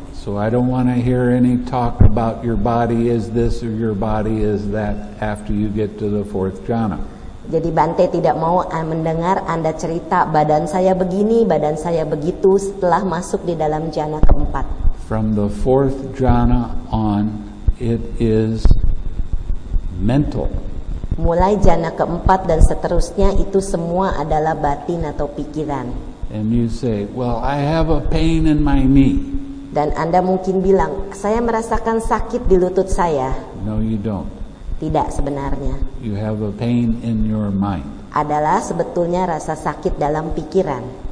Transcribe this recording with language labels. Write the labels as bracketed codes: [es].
[en] So I don't want to hear any talk about your body is this or your body is that after you get to the fourth jhana. [id] Jadi Bante tidak mau mendengar Anda cerita badan saya begini, badan saya begitu setelah masuk di dalam jhana keempat. [en] From the fourth jhana on, it is mental. [id] Mulai jhana keempat dan seterusnya itu semua adalah batin atau pikiran. [en] And you say, well, I have a pain in my knee. [id] Dan Anda mungkin bilang, saya merasakan sakit di lutut saya. [en] No, you don't. [id] Tidak sebenarnya. [en] You have a pain in your mind. [id] Adalah sebetulnya rasa sakit dalam pikiran.